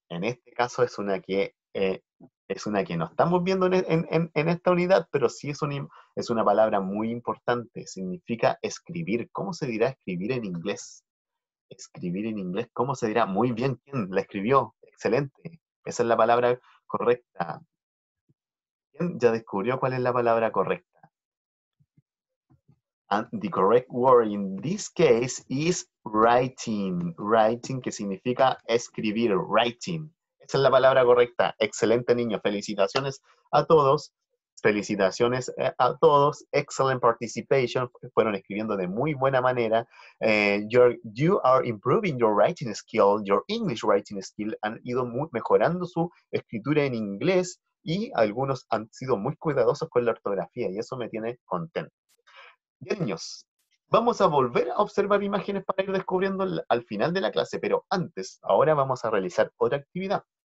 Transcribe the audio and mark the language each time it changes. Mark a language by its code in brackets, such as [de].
[es] En este caso es una que no estamos viendo en esta unidad, pero sí es una palabra muy importante. Significa escribir. ¿Cómo se dirá escribir en inglés? Escribir en inglés, ¿cómo se dirá? Muy bien, ¿quién la escribió? Excelente, esa es la palabra correcta. ¿Quién ya descubrió cuál es la palabra correcta? [en] And the correct word in this case is writing. [es] Writing, que significa escribir, writing. Esa es la palabra correcta. Excelente, niño. Felicitaciones a todos. Felicitaciones a todos. [en] Excellent participation. [es] Fueron escribiendo de muy buena manera. [en] You are improving your writing skill, your English writing skill. [es] Han ido mejorando su escritura en inglés y algunos han sido muy cuidadosos con la ortografía y eso me tiene contento. Bien, niños, vamos a volver a observar imágenes para ir descubriendo al final de la clase, pero antes, ahora vamos a realizar otra actividad.